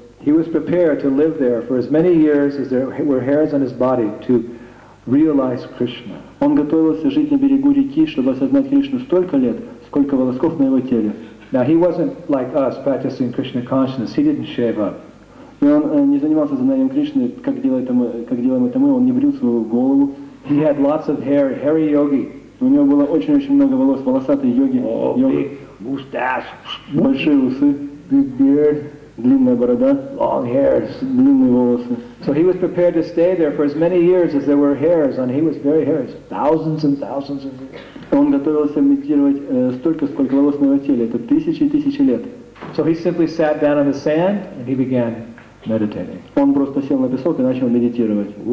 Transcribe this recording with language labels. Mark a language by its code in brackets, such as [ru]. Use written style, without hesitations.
[en] He was prepared to live there for as many years as there were hairs on his body to realize Krishna. [ru] Он готовился жить на берегу реки, чтобы осознать Кришну столько лет, сколько волосков на его теле. [en] Now he wasn't like us practicing Krishna consciousness. He didn't shave up. [ru] И он не занимался знанием Кришны, как делаем это мы. Он не брил свою голову. [en] He had lots of hair, hairy yogi. [ru] У него было очень-очень много волос, волосатый йоги. [en] Mustache. [ru] Большие усы. [en] Big beard. [ru] Длинная борода. [en] Long hairs. [ru] Длинные волосы. [en] So he was prepared to stay there for as many years as there were hairs, and he was very hairy. Thousands and thousands of years. [ru] Он готовился медитировать столько, сколько волос на его теле. Это тысячи и тысячи лет. [en] So he simply sat down on the sand, and he began meditating. [ru] Он просто сел на песок и начал медитировать.